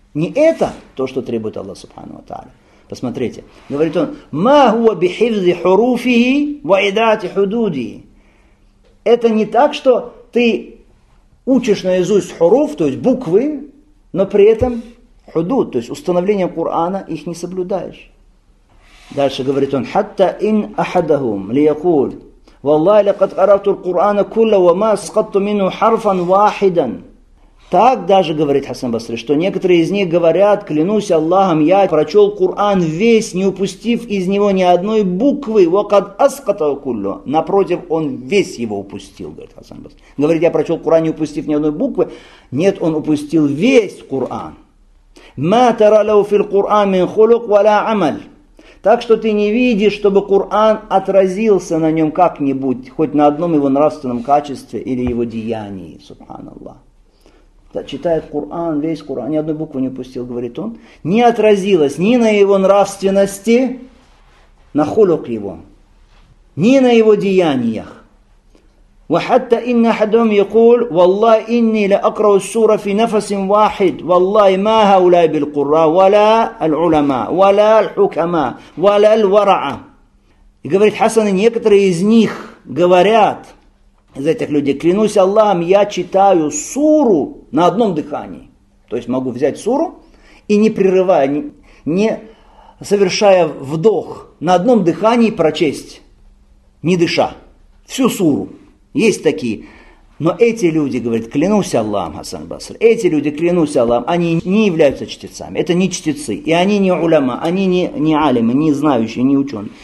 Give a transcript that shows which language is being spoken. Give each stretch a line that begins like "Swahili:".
Russian: Не это то, что требует Аллах Субхану ва Тааля. Посмотрите, говорит он,
Arabic: «Ма хуа бихифзи хуруфихи ва идати худудии».
Russian: Это не так, что ты учишь наизусть хуруф, то есть буквы, но при этом худуд, то есть установление Корана, их не соблюдаешь. Дальше говорит он,
Arabic: «Хатта ин ахадахум лиякуль». والله لقد قرأت القرآن كله وما سقطت منه حرفا واحدا.
Russian: Так даже говорит Хасан Басри, что некоторые из них говорят, клянусь Аллахом, я прочел Коран весь, не упустив из него ни одной буквы.
Arabic: وقد أسقط كله.
Russian: Напротив, он весь его упустил, говорит Хасан Басри. Говорит, я прочел Коран, не упустив ни одной буквы. Нет, он упустил весь Коран.
Arabic: ما ترى له في القرآن من خلق ولا عمل.
Russian: Так что ты не видишь, чтобы Коран отразился на нем как-нибудь, хоть на одном его нравственном качестве или его деянии, субханаллах. Да, читает Коран, весь Коран, ни одной буквы не упустил, говорит он. Не отразилось ни на его нравственности, на хулук его, ни на его деяниях.
Arabic: وَحَتَّ إِنَّ أَحَدَهُمْ يَقُولُ وَاللَّهِ إِنِّي لَأَقْرَأُ السُّورَ فِي نَفَسٍ وَاحِدٍ وَاللَّهِ مَا هَؤُلَاءِ بِالْقُرَّاءِ وَلَا الْعُلَمَاءِ وَلَا الْحُكَمَاءِ وَلَا الْوَرَعَاءِ.
Russian: И говорит Хасан, некоторые из них говорят, из этих людей, клянусь Аллахом, я читаю суру на одном дыхании. То есть могу взять суру и не прерывая, не совершая вдох, на одном дыхании прочесть, не дыша, всю суру. Есть такие, но эти люди, говорит, клянусь Аллахом, Хасан Басри, эти люди, клянусь Аллахом, они не являются чтецами, это не чтецы, и они не уляма, они не алимы, не знающие, не ученые.